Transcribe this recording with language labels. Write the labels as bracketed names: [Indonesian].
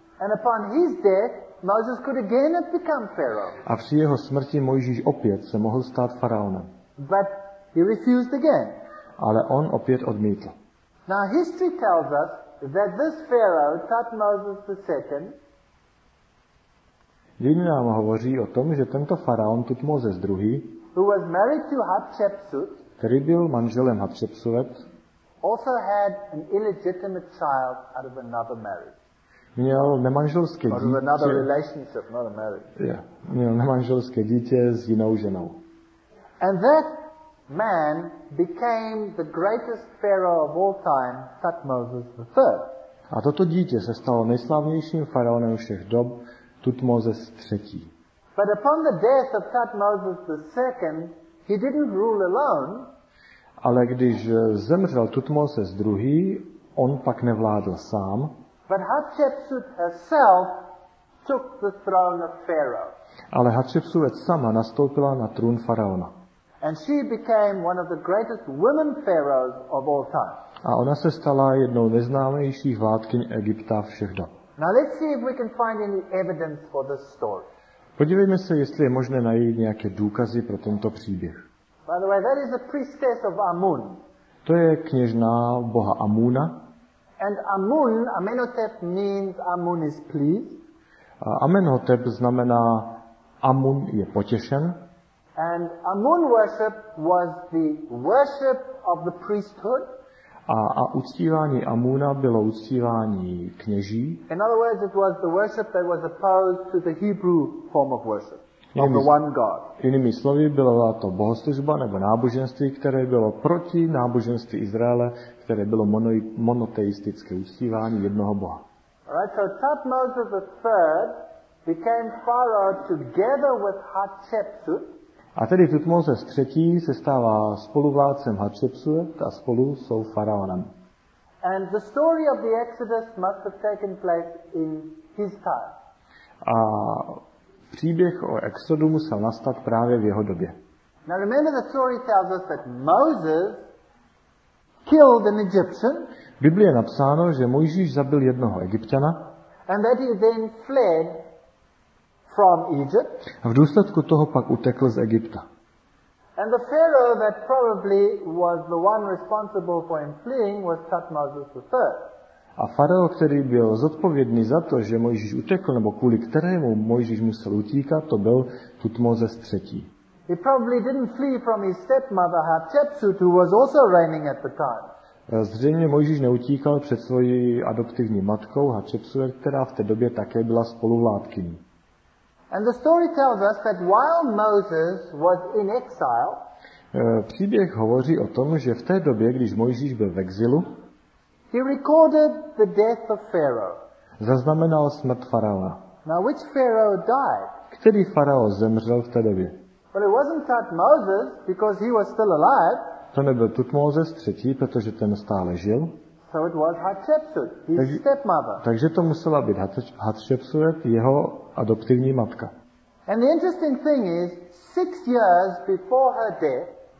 [English] And upon his death, Moses could again have become pharaoh. [Czech] A při jeho smrti Mojžíš opět se mohl stát faraonem. [English] But he refused again. [Czech] Ale on opět odmítl. [English] Now history tells us that this pharaoh, Tutmosis II, [Czech] dějiny nám hovoří o tom, že tento faraon Tutmosis II, [English] who was married to Hatshepsut, [Czech] který byl manželem Hatshepsut, [English] also had an illegitimate child out of another marriage. [Czech] Měl nemanželské dítě. [English] Another relationship, not a marriage. Yeah. [Czech] Měl nemanželské dítě s jinou ženou. [English] And that man became the greatest pharaoh of all time, Tutmosis III. [Czech] A toto dítě se stalo nejslavnějším faraonem všech dob, Tutmozes III. [English] But upon the death of Thutmose II, he didn't rule alone. [Czech] Ale když zemřel Tutmosis II, on pak nevládl sám. [English] But Hatshepsut herself took the throne of Pharaoh. [Czech] Ale Hatshepsut sama nastoupila na trůn faraona. [English] And she became one of the greatest women pharaohs of all time. [Czech] A ona se stala jednou nejznámějších vládkyň Egypta všech dob. [English] Now let's see if we can find any evidence for this story. [Czech] Podívejme se, jestli je možné najít nějaké důkazy pro tento příběh. [English] By the way, that is a priestess of Amun. [Czech] To je kněžná boha Amuna. [English] And Amun, Amenhotep means Amun is pleased. [Czech] Amenhotep znamená Amun je potěšen. [English] And Amun worship was the worship of the priesthood. [Czech] A uctívání Amuna bylo uctívání kněží. [English] In other words, it was the worship that was opposed to the Hebrew form of worship. [Czech] Jinými slovy, byla to bohoslužba nebo náboženství, které bylo proti náboženství Izraele, které bylo monoteistické uctívání jednoho boha. [English] Right, so Thutmose III became pharaoh together with Hatshepsut. [Czech] A tedy Thutmose III se stává spoluvládcem Hatshepsut a spolu jsou faraonem. [English] And the story of the Exodus must have taken place in his time. [Czech] A příběh o exodu musel nastat právě v jeho době. [English] Now remember the story tells us that Moses killed an Egyptian. [Czech] Biblia napsáno, že Mojžíš zabil jednoho Egypťana. [English] And that he then fled from Egypt. [Czech] A v důsledku toho pak utekl z Egypta. [English] And the pharaoh that probably was the one responsible for him fleeing was Thutmose III. [Czech] A faraó, který byl zodpovědný za to, že Mojžíš utekl, nebo kvůli kterému Mojžíš musel utíkat, to byl Tutmozes III. [English] He probably didn't flee from his stepmother Hatshepsut, who was also reigning at the time. [Czech] Zřejmě Mojžíš neutíkal před svojí adoptivní matkou Hatshepsut, která v té době také byla spoluvládkyní. [English] And the story tells us that while Moses was in exile, [Czech] příběh hovoří o tom, že v té době, když Mojžíš byl v exilu, [English] he recorded the death of Pharaoh. [Czech] Zaznamenal smrt faraona. [English] Now which pharaoh died? [Czech] Který faraó zemřel v té době? [English] Well, it wasn't Thutmose because he was still alive. [Czech] To nebyl Tutmozes III, protože ten stále žil. [English] So it was Hatshepsut, his stepmother. [Czech] Takže to musela být Hatshepsut, jeho adoptivní matka. [English] And the interesting thing is, 6 years before her death.